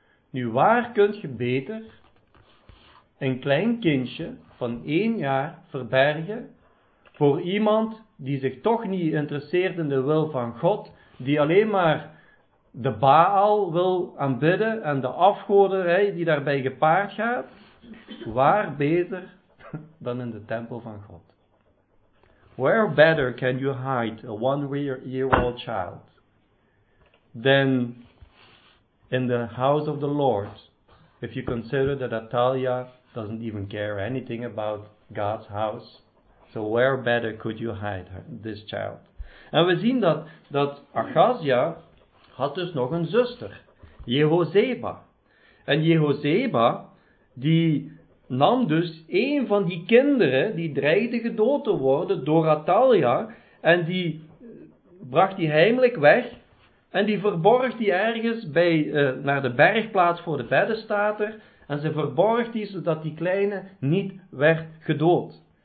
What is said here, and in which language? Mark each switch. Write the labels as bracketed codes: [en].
[nl] Nu, waar kunt je beter een klein kindje van 1 jaar verbergen voor iemand die zich toch niet interesseert in de wil van God, die alleen maar de Baal wil aanbidden en de afgoderij die daarbij gepaard gaat, waar beter dan in de tempel van God? [en] Where better can you hide a 1-year-old child than in the house of the Lord if you consider that Atalia doesn't even care anything about God's house? So where better could you hide her, this child? [nl] En we zien dat Achazia had dus nog een zuster, Jehozeba. En Jehozeba, die nam dus een van die kinderen die dreigde gedood te worden door Atalia, en die bracht die heimelijk weg, en die verborg die ergens naar de bergplaats voor de beddenstater, en ze verborg die zodat die kleine niet werd gedood.